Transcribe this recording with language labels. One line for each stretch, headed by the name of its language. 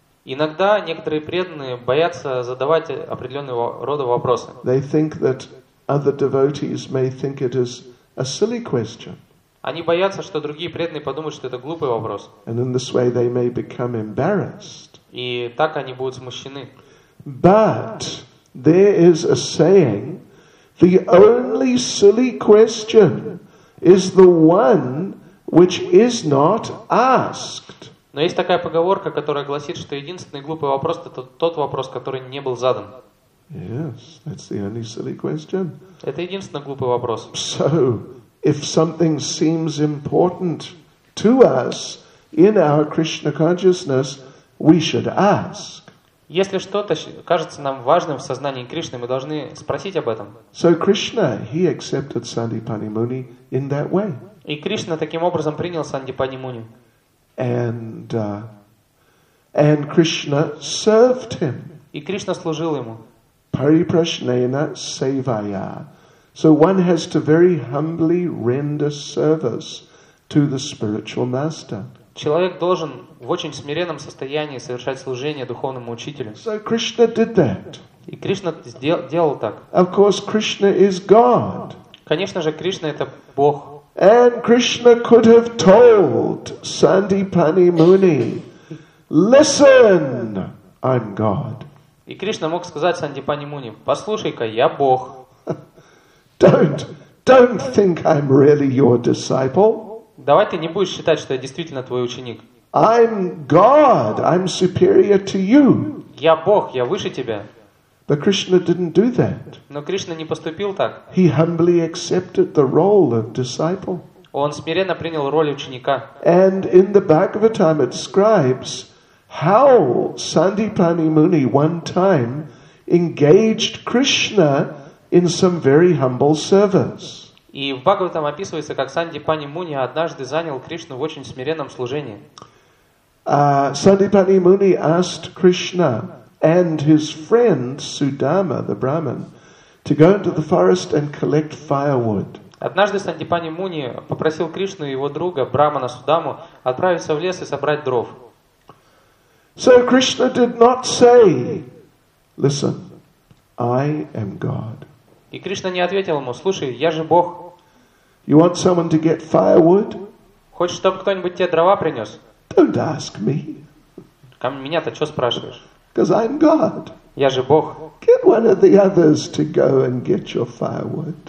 Russian: Иногда некоторые преданные боятся задавать определенного рода вопросы.
English: They think that other devotees may think it is a silly question.
Russian: Они боятся, что другие преданные подумают, что это глупый вопрос.
English: And in this way they may become embarrassed.
Russian: И так они будут смущены.
English: But there is a saying: the only silly question is the one which is not asked.
Russian: Но есть такая поговорка, которая гласит, что единственный глупый вопрос — это тот вопрос, который не был задан.
English: Yes, that's the only silly question.
Russian: Это единственный глупый вопрос.
English: So, if something seems important to us in our Krishna consciousness, we should ask.
Russian: Если что-то кажется нам важным в сознании Кришны, мы должны спросить об этом.
English: So Krishna, he accepted Sandipani Muni in that way.
Russian: И Кришна таким образом принял Сандипани Муни.
English: And Krishna served him.
Russian: И Кришна служил ему.
English: Parīprasnena sevaya. So one has to very humbly render service to the spiritual master.
Russian: Человек должен в очень смиренном состоянии совершать служение духовному учителю.
English: So Krishna did that.
Russian: И Кришна делал так.
English: Of course, Krishna is God.
Russian: Конечно же, Кришна это Бог.
English: And Krishna could have told Sandipani Muni, "Listen, I'm God."
Russian: И Кришна мог сказать Сандипани Муни, послушай-ка, я Бог.
English: Don't think I'm really your disciple.
Russian: Давай ты не будешь считать, что я действительно твой ученик.
English: I'm God, I'm superior to you.
Russian: Я Бог, я выше тебя.
English: But Krishna didn't do that.
Russian: Но Кришна не поступил так.
English: He humbly accepted the role of disciple.
Russian: Он смиренно принял роль ученика.
English: And in the Bhagavatam it describes how Sandipani Muni one time engaged Krishna in some very humble service.
Russian: И в Бхагаватам описывается, как Сандипани Муни однажды занял Кришну в очень смиренном служении.
English: Сандипани Муни asked Krishna and his friend Sudama, the Brahmin, to go into the forest and collect firewood.
Russian: Однажды Сандипани Муни попросил Кришну и его друга, Брахмана Судаму, отправиться в лес и собрать дров.
English: So Krishna did not say, "Listen, I am God."
Russian: И Кришна не ответил ему: "Слушай, я же Бог."
English: You want someone to get firewood?
Russian: Хочешь, чтобы кто-нибудь тебе дрова принес?
English: Don't ask me.
Russian: Ко мне меня-то что спрашиваешь?
English: Because I'm God.
Russian: Я же Бог.
English: Get one of the others to go and get your firewood.